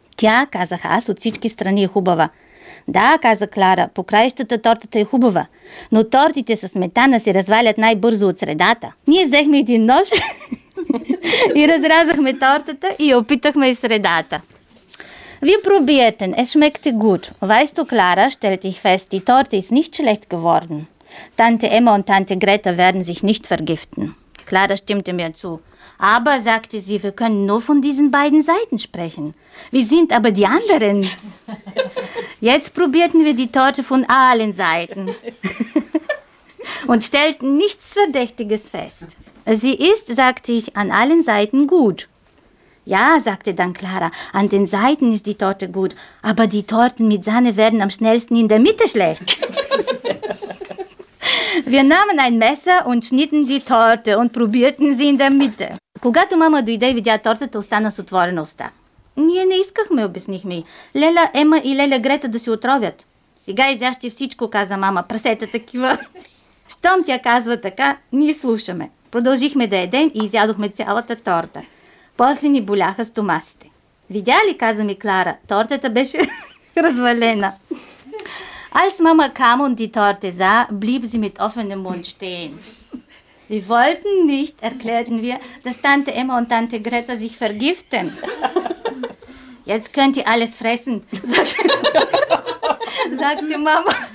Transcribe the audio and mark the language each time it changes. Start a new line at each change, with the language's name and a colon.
Bulgarian: Тя, казах аз, от всички страни е хубава. Да, каза Клара, по краищата тортата е хубава, но тортите с сметана се развалят най-бързо от средата. Ние взехме един нож и разразахме тортата и я опитахме и в средата.
German: Wir probierten, es schmeckte gut. Weißt du, Clara, stellte ich fest, die Torte ist nicht schlecht geworden. Tante Emma und Tante Greta werden sich nicht vergiften. Clara stimmte mir zu. Aber, sagte sie, wir können nur von diesen beiden Seiten sprechen. Wir sind aber die anderen. Jetzt probierten wir die Torte von allen Seiten und stellten nichts Verdächtiges fest. Sie ist, sagte ich, an allen Seiten gut. Ja, sagte dann Clara, an den Seiten ist die Torte gut, aber die Torten mit Sahne werden am schnellsten in der Mitte schlecht. Wir nahmen ein Messer und schnitten die Torte und probierten sie in der Mitte.
Bulgarian: Когато мама дойде, видя тортата, остана с отворена уста. Ние не искахме, обяснихме. Леля Ема и Леля Грета да се отровят. Сега изящи всичко, каза мама, прасета такива. Щом тя казва така, ние слушаме. Продължихме да едем и изядохме цялата торта. После ни боляха стомасите. Видя ли, каза ми Клара, тортата беше развалена.
German: Als Mama kam und die Torte sah, blieb sie mit offenem Mund stehen. Wir wollten nicht, erklärten wir, dass Tante Emma und Tante Greta sich vergiften. Jetzt könnt ihr alles fressen, sagte Mama.